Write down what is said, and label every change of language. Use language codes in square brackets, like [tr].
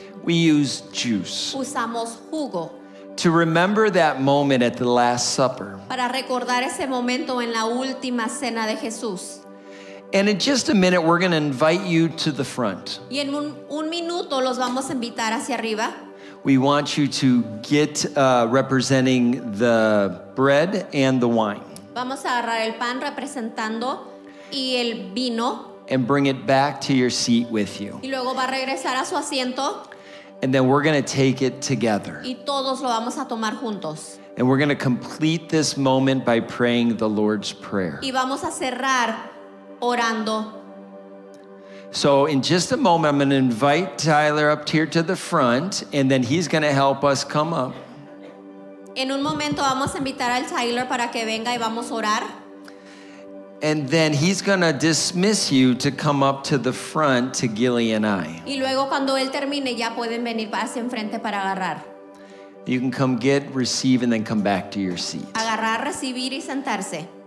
[en] We use juice. [es] Usamos jugo. [en] To remember that moment at the Last Supper. [es] Para recordar ese momento en la última cena de Jesús. [en] And in just a minute, we're going to invite you to the front. [es] Y en un minuto los vamos a invitar hacia arriba. [en] We want you to get representing the bread and the wine. [es] Vamos a agarrar el pan representando y el vino. [en] And bring it back to your seat with you. [es] Y luego va a regresar a su asiento. [en] And then we're going to take it together. [es] Y todos lo vamos a tomar juntos. [en] And we're going to complete this moment by praying the Lord's Prayer. [es] Y vamos a cerrar orando. [en] So in just a moment, I'm going to invite Tyler up here to the front, and then he's going to help us come up. [es] En un momento vamos a invitar al Tyler para que venga y vamos a orar. [en] And then he's going to dismiss you to come up to the front to Gilly and I. [es] Y luego cuando él termine ya pueden venir hacia enfrente para agarrar. [en] You can come get, receive, and then come back to your seat. [es] Agarrar, recibir y sentarse.